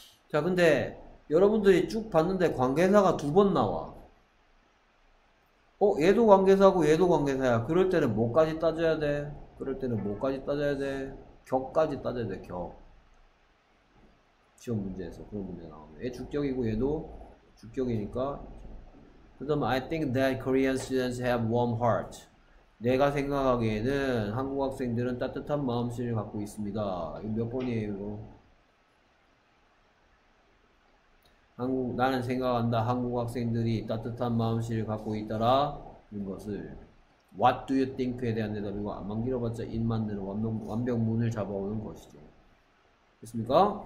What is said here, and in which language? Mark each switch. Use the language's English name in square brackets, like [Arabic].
[Korean] 자 근데 여러분들이 쭉 봤는데 관계사가 두 번 나와. 어? 얘도 관계사고 얘도 관계사야. 그럴 때는 뭐까지 따져야 돼? 그럴 때는 뭐까지 따져야 돼? 격까지 따져야 돼, 격. 시험 문제에서 그런 문제 나오면 얘 주격이고 얘도 주격이니까. 그다음 [English] I think that Korean students have warm heart. [Korean] 내가 생각하기에는 한국 학생들은 따뜻한 마음씨를 갖고 있습니다. 이거 몇 번이에요 이거? 나는 생각한다. 한국 학생들이 따뜻한 마음씨를 갖고 있더라. 이런 것을 [English] What do you think [Korean] 에 대한 대답이고 안만 길어봤자 입만대로 완벽문을 잡아오는 것이죠. 됐습니까?